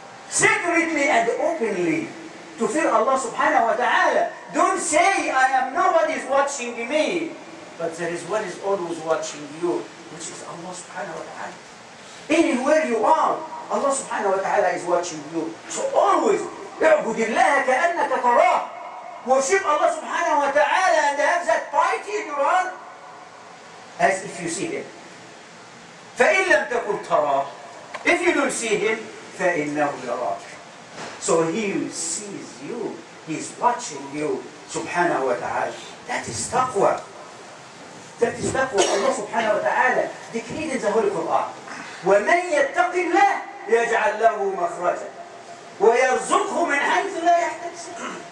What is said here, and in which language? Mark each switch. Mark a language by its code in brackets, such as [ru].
[en] Secretly and openly to fear Allah subhanahu wa ta'ala. Don't say, I am nobody is watching me. But there is one is always watching you, which is Allah subhanahu wa ta'ala. Anywhere you are, Allah subhanahu wa ta'ala is watching you. So always, [ar] اعبد الله كأنك تراه. [en] Worship Allah subhanahu wa ta'ala and have that piety in your heart as if you see him. [ar] فإن لم تكن تراه, [en] if you don't see him, [ar] فإنه يراك. [en] So he sees you, he's watching you, subhanahu wa ta'ala. That is taqwa. That is taqwa. Allah subhanahu wa ta'ala decreed in the Holy Quran. [ar] وَمَنْ يَتَّقِ اللَّهِ يَجْعَلْ لَهُ مَخْرَجًا وَيَرْزُقْهُ مِنْ حَيْثُ لَا يَحْتَسِبُ.